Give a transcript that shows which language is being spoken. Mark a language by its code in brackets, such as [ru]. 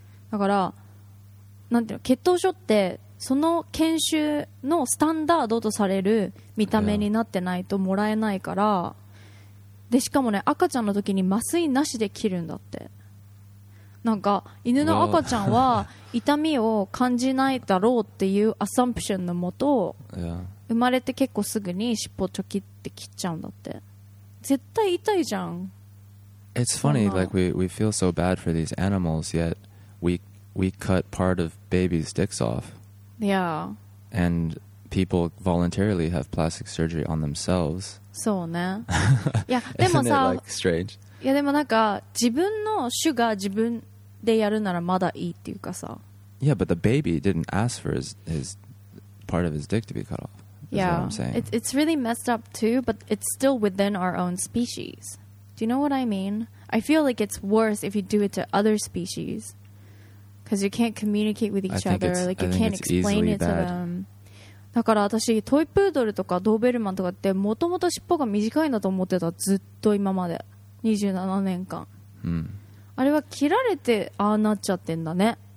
[ja] だからなんていうの、血統書ってその犬種のスタンダードとされる見た目になってないともらえないから、でしかもね赤ちゃんの時に麻酔なしで切るんだって。なんか犬の赤ちゃんは痛みを感じないだろうっていうアサンプションのもと、生まれて結構すぐに尻尾ちょきって切っちゃうんだって。絶対痛いじゃん。 [en] It's funny, like we feel so bad for these animals, yet we cut part of babies' dicks off. Yeah. And people voluntarily have plastic surgery on themselves. [ja] そうね。いやでもさ、 [en] Isn't it like strange? [ja] いやでもなんか自分の種が自分でやるならまだいいっていうかさ。 [en] Yeah, but the baby didn't ask for his part of his dick to be cut off. Yeah, what I'm saying. It's really messed up too, but it's still within our own species. Do you know what I mean? I feel like it's worse if you do it to other species, because you can't communicate with each other. Like you can't explain it to them. [ja] だから私トイプードルとかドーベルマンとかってもともと尻尾が短いんだと思ってた、ずっと今まで。 27年間、あれは切られてああなっちゃってんだね。